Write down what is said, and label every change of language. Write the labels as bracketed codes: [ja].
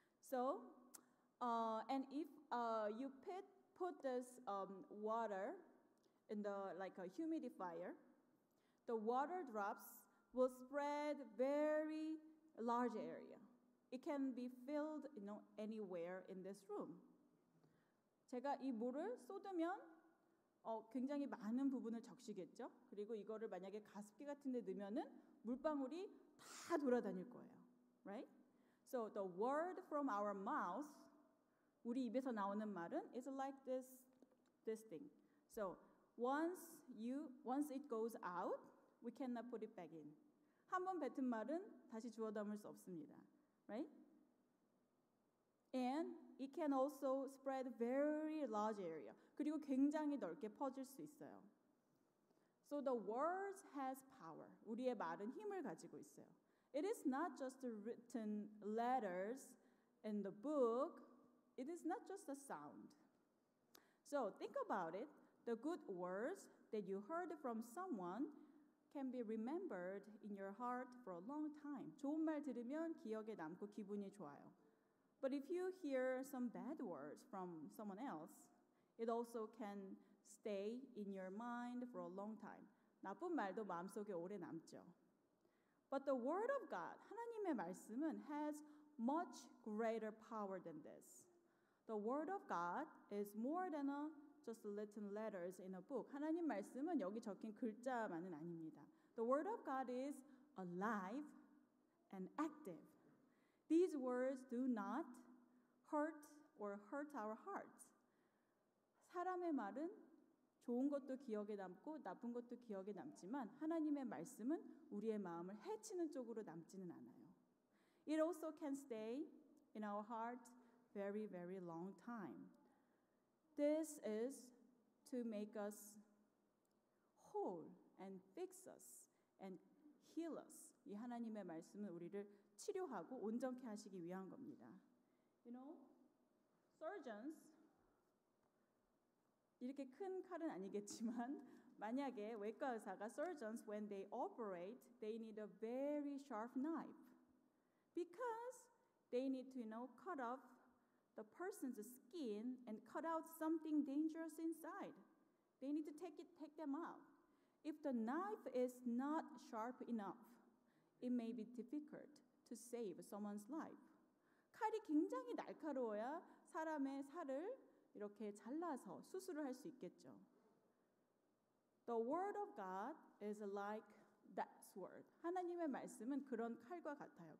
[en] So, and if you put this water in the like a humidifier, the water drops will spread very large area. It can be filled, you know, anywhere in this room. [ko] 제가 이 물을 쏟으면 굉장히 많은 부분을 적시겠죠? 그리고 이거를 만약에 가습기 같은 데 넣으면은 물방울이 다 돌아다닐 거예요. [en] Right? So the word from our mouth, [ko] 우리 입에서 나오는 말은 [en] is like this thing. So once it goes out, we cannot put it back in. [ko] 한 번 뱉은 말은 다시 주워 담을 수 없습니다. [en] Right? And it can also spread very large area. [ko] 그리고 굉장히 넓게 퍼질 수 있어요. [en] So the words has power. [ko] 우리의 말은 힘을 가지고 있어요. [en] It is not just the written letters in the book. It is not just the sound. So think about it. The good words that you heard from someone can be remembered in your heart for a long time. [ko] 좋은 말 들으면 기억에 남고 기분이 좋아요. [en] But if you hear some bad words from someone else, it also can stay in your mind for a long time. [ko] 나쁜 말도 마음속에 오래 남죠. [en] But the word of God, [ko] 하나님의 말씀은 [en] has much greater power than this. The word of God is more than a just written letters in a book. [ko] 하나님 말씀은 여기 적힌 글자만은 아닙니다. [en] The word of God is alive and active. These words do not hurt or hurt our hearts. [ko] 사람의 말은 좋은 것도 기억에 남고 나쁜 것도 기억에 남지만 하나님의 말씀은 우리의 마음을 해치는 쪽으로 남지는 않아요. [en] It also can stay in our heart very, very long time. This is to make us whole and fix us and heal us. [ko] 이 하나님의 말씀은 우리를 치료하고 온전케 하시기 위한 겁니다. [en] You know, surgeons, [ko] 이렇게 큰 칼은 아니겠지만 만약에 외과 의사가 [en] surgeons, when they operate, they need a very sharp knife because they need to, you know, cut off the person's skin and cut out something dangerous inside. They need to take them out. If the knife is not sharp enough, it may be difficult to save someone's life. [ko] 칼이 굉장히 날카로워야 사람의 살을 이렇게 잘라서 수술을 할 수 있겠죠. [en] The word of God is like that sword. [ko] 하나님의 말씀은 그런 칼과 같아요.